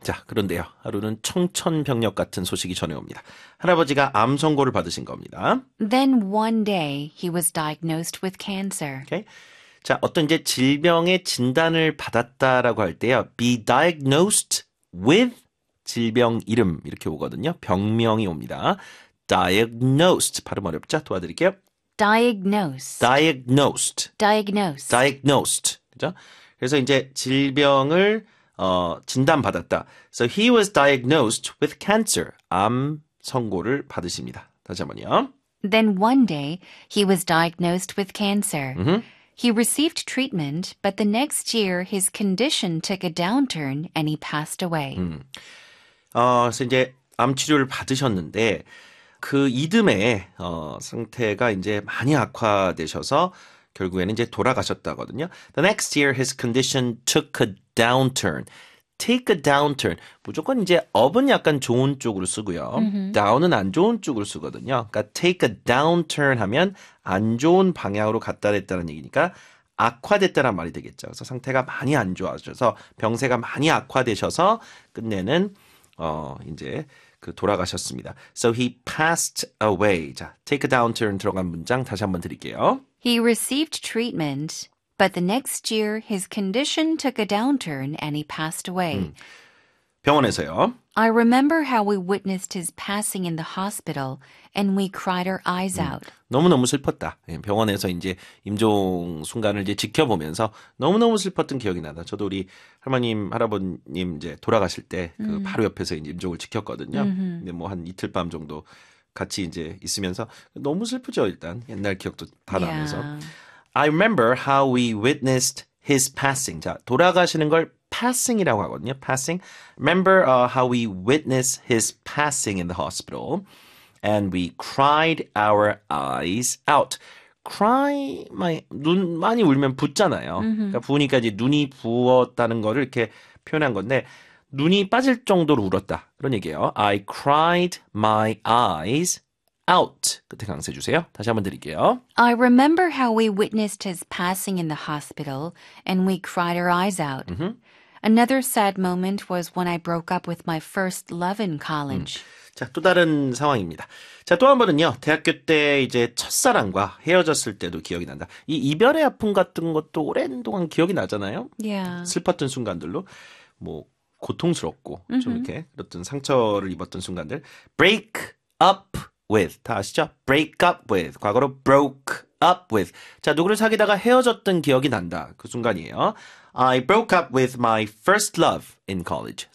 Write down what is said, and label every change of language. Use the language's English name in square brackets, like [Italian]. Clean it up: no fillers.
[Korean] 자, 그런데요. 하루는 청천벽력 같은 소식이 전해옵니다. 할아버지가 암 선고를 받으신 겁니다. [English] Then one day he was diagnosed with cancer. Okay. [Korean] 자, 어떤 이제 질병의 진단을 받았다라고 할 때요. [English] Be diagnosed with [Korean] 질병 이름 이렇게 오거든요. 병명이 옵니다. Diagnosed. 발음 어렵죠? 도와드릴게요. [English] Diagnosed. Diagnosed. Diagnosed. Diagnosed. 그죠? [Korean] 그래서 이제 질병을 진단받았다. [English] So he was diagnosed with cancer. [Korean] 암 선고를 받으십니다. 다시 한번요. [English] Then one day, he was diagnosed with cancer. Mm-hmm. He received treatment, but the next year, his condition took a downturn and he passed away. [Korean] 그래서 이제 암 치료를 받으셨는데 그 이듬해 상태가 이제 많이 악화되셔서 결국에는 이제 돌아가셨다거든요. [English] The next year, his condition took a downturn. Take a downturn. [Korean] 무조건 이제 up은 약간 좋은 쪽으로 쓰고요. Mm-hmm. down은 안 좋은 쪽으로 쓰거든요. 그러니까 [English] take a downturn [Korean] 하면 안 좋은 방향으로 갔다 됐다는 얘기니까 악화됐다는 말이 되겠죠. 그래서 상태가 많이 안 좋아져서 병세가 많이 악화되셔서 끝내는 이제 그 돌아가셨습니다. [English] So he passed away. [Korean] 자, [English] take a downturn [Korean] 들어간 문장 다시 한번 드릴게요. [English] He received treatment, but the next year his condition took a downturn and he passed away. [Korean] 병원에서요. [English] I remember how we witnessed his passing in the hospital and we cried our eyes out. [Korean] 너무너무 슬펐다. 병원에서 이제 임종 순간을 이제 지켜보면서 너무너무 슬펐던 기억이 나다. 저도 우리 할머님, 할아버님 이제 돌아가실 때 그 바로 옆에서 이제 임종을 지켰거든요. 근데 뭐 한 이틀 밤 정도 같이 이제 있으면서 너무 슬프죠, 일단. 옛날 기억도 다 나면서. [English] I remember how we witnessed his passing. [Korean] 자, 돌아가시는 걸 passing이라고 하거든요. Passing. [English] Remember how we witnessed his passing in the hospital. And we cried our eyes out. Cry, [Korean] 눈 많이 울면 붓잖아요. 그러니까 부으니까 이제 눈이 부었다는 거를 이렇게 표현한 건데 눈이 빠질 정도로 울었다. 그런 얘기예요. [English] I cried my eyes out. [Korean] 끝에 강세 주세요. 다시 한번 드릴게요. [English] I remember how we witnessed his passing in the hospital and we cried our eyes out. Mm-hmm. Another sad moment was when I broke up with my first love in college. [Korean] 자, 또 다른 상황입니다. 자, 또 한 번은요. 대학교 때 이제 첫사랑과 헤어졌을 때도 기억이 난다. 이 이별의 아픔 같은 것도 오랜 동안 기억이 나잖아요. [English] Yeah. [Korean] 슬펐던 순간들로 뭐 고통스럽고 mm-hmm. 좀 이렇게 어떤 상처를 입었던 순간들. [English] Break up with. [Korean] 다 아시죠? [English] Break up with. [Korean] 과거로 [English] broke up with. [Korean] 자, 누구를 사귀다가 헤어졌던 기억이 난다. 그 순간이에요. [English] I broke up with my first love in college.